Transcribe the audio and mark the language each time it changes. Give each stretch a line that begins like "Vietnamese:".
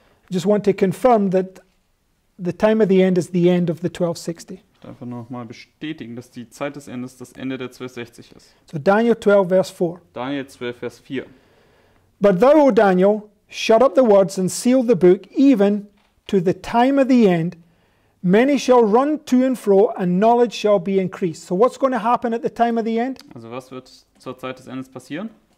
English: Just want to confirm that the time of the end is the end of the 1260.
German: Ich darf einfach nochmal bestätigen, dass die Zeit des Endes das Ende der 1260 ist.
English: So Daniel 12, Vers 4.
German: Daniel 12, Vers 4.
English: But thou, O Daniel, shut up the words and seal the book even to the time of the end. Many shall run to and fro and knowledge shall be increased. So what's going to happen at the time of the end?
German: Also was wird zur Zeit des Endes passieren?